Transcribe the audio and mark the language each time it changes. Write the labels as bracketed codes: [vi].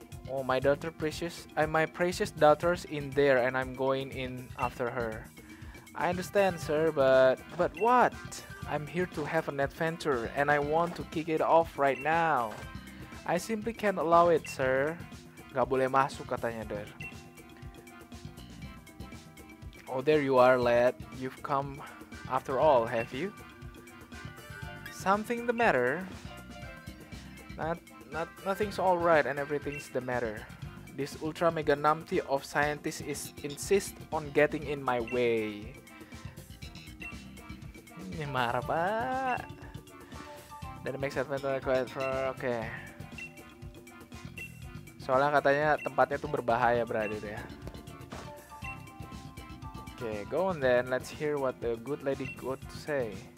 [en] Oh, my precious daughter's in there and I'm going in after her. I understand, sir, but what? I'm here to have an adventure and I want to kick it off right now. I simply can't allow it, sir. [id] Gak boleh masuk katanya, Der. [en] Oh, there you are, lad. You've come after all, have you? Something the matter? Nothing's all right and everything's the matter. This ultra mega numpty of scientist is insist on getting in my way. [id] Ini marah, Pak. [en] Dan makes adventure quite far. Okay. [id] Soalnya katanya tempatnya tuh berbahaya, brother, ya. [en] Okay, go on then. Let's hear what the good lady got to say.